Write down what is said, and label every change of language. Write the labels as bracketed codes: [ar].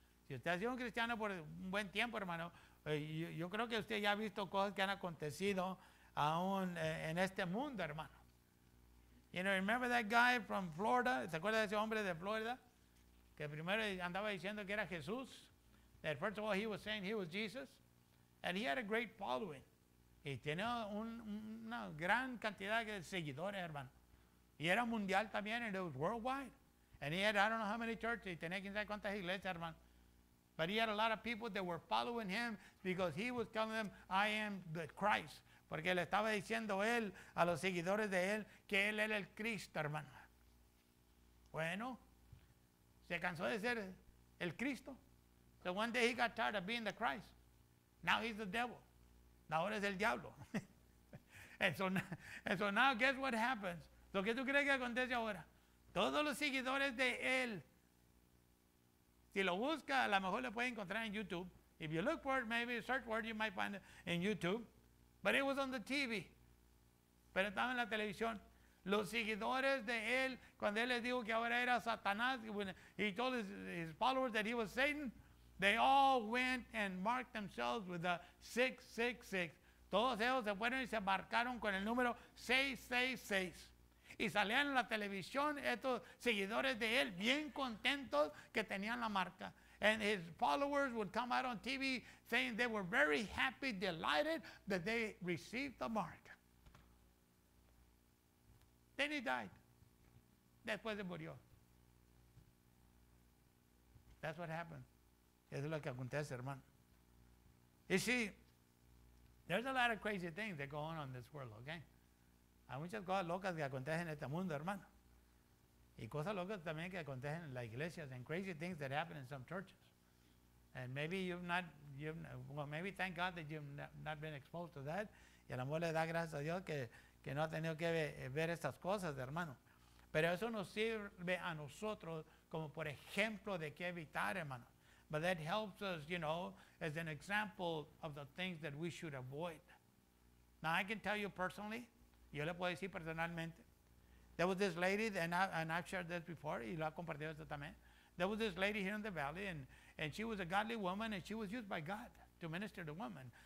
[es] Si usted ha sido un cristiano por un buen tiempo, hermano, yo creo que usted ya ha visto cosas que han acontecido aún en este mundo, hermano. [en] You know, remember that guy from Florida? [es] ¿Se acuerda de ese hombre de Florida? Que primero andaba diciendo que era Jesús. [en] That first of all, he was saying he was Jesus. And he had a great following. [es] Y tenía una gran cantidad de seguidores, hermano. Y era mundial también, [en] and it was worldwide. And he had, I don't know how many churches. [es] Y tenía quién sabe cuántas iglesias, hermano. [en] But he had a lot of people that were following him because he was telling them, I am the Christ. [es] Porque le estaba diciendo él a los seguidores de él que él era el Cristo, hermano. Bueno, se cansó de ser el Cristo. [en] So one day he got tired of being the Christ. Now he's the devil. [es] Ahora es el diablo. [en] and so now guess what happens. [es] ¿Lo que tú crees que acontece ahora? Todos los seguidores de él, si lo busca, a lo mejor lo puede encontrar en YouTube. [en] If you look for it, maybe a search word, you might find it in YouTube. But it was on the TV. [es] Pero estaba en la televisión. Los seguidores de él, cuando él les dijo que ahora era Satanás, [en] when he told his followers that he was Satan, they all went and marked themselves with the 666. [es] Todos ellos se fueron y se marcaron con el número 666. Y salían en la televisión estos seguidores de él bien contentos que tenían la marca. [en] And his followers would come out on TV saying they were very happy, delighted that they received the mark. Then he died. [es] Después se murió. [en] That's what happened. [es] Eso es lo que acontece, hermano. [en] You see, there's a lot of crazy things that go on in this world, okay? [es] Hay muchas cosas locas que acontecen en este mundo, hermano. Y cosas locas también que acontecen en las iglesias, [en] and crazy things that happen in some churches. And maybe maybe thank God that you've not been exposed to that. [es] Y a lo mejor le da gracias a Dios que no ha tenido que ver estas cosas, hermano. Pero eso nos sirve a nosotros como por ejemplo de qué evitar, hermano. [en] But that helps us, you know, as an example of the things that we should avoid. Now I can tell you personally, [es] yo le puedo decir personalmente, [en] there was this lady, and I've shared this before, [es] y lo ha compartido esto también. [en] There was this lady here in the valley, and she was a godly woman, and she was used by God to minister to women.